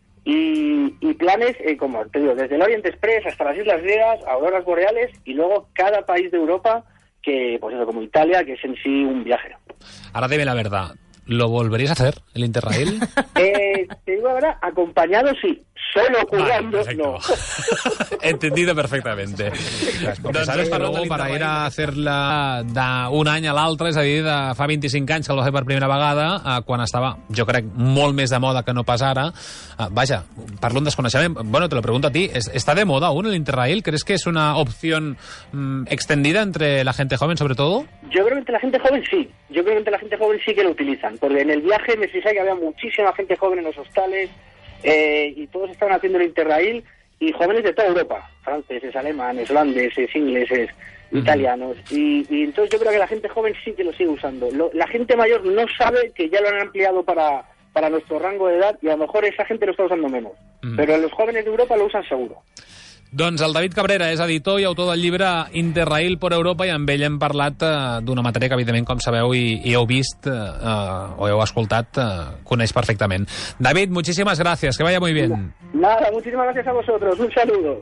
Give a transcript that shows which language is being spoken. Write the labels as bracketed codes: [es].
[es] Y planes, como te digo, desde el Oriente Express hasta las Islas Griegas, auroras boreales, y luego cada país de Europa, que, pues eso, como Italia, que es en sí un viaje. Ahora dime la verdad, ¿lo volverías a hacer, el Interrail? Te digo la verdad, acompañado sí, solo jugando, vale, no. Entendido perfectamente. [ca] Doncs ara està [es] luego para ir a [ca] hacer-la d'un any a l'altre, és a dir, de fa 25 anys que el va fer per primera vegada, quan estava, jo crec, molt més de moda que no pas ara. Vaja, parlo amb desconeixement. [es] Bueno, te lo pregunto a ti. ¿Está de moda aún el Interrail? ¿Crees que es una opción extendida entre la gente joven, sobre todo? Yo creo que entre la gente joven sí. Yo creo que entre la gente joven sí que lo utilizan. Porque en el viaje me fijé que había muchísima gente joven en los hostales, y todos estaban haciendo el Interrail, y jóvenes de toda Europa. Franceses, alemanes, holandeses, ingleses, italianos. Y entonces yo creo que la gente joven sí que lo sigue usando. La gente mayor no sabe que ya lo han ampliado para nuestro rango [ca] d'edat, i [es] a lo mejor esa gente lo está usando menos. Pero los jóvenes de Europa lo usan seguro. [ca] Doncs el David Cabrera és editor i autor del llibre Interrail per Europa, i amb ell hem parlat d'una matèria que, evidentment, com sabeu i heu vist o heu escoltat, coneix perfectament. [es] David, muchísimas gracias, que vaya muy bien. Nada, muchísimas gracias a vosotros. Un saludo.